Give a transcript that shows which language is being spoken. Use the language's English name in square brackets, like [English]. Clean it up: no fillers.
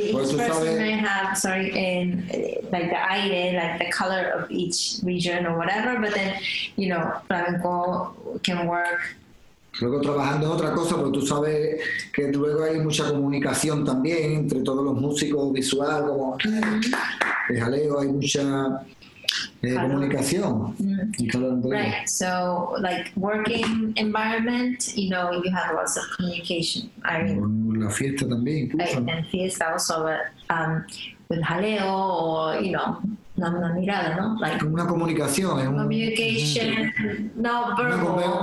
[English] Like the aire, like the color of each region or whatever, but then, you know, flamenco can work. [Spanish] Luego trabajando es otra cosa, pero tú sabes que luego hay mucha comunicación también entre todos los músicos visuales, como el jaleo, hay mucha comunicación. [English] Right, so like working environment, you know, you have lots of communication. [Spanish] La fiesta también. [English] And fiesta also, with jaleo or, you know, [Spanish] una mirada, ¿no? [English] Like [Spanish] una comunicación, [English] communication, [Spanish] no verbal.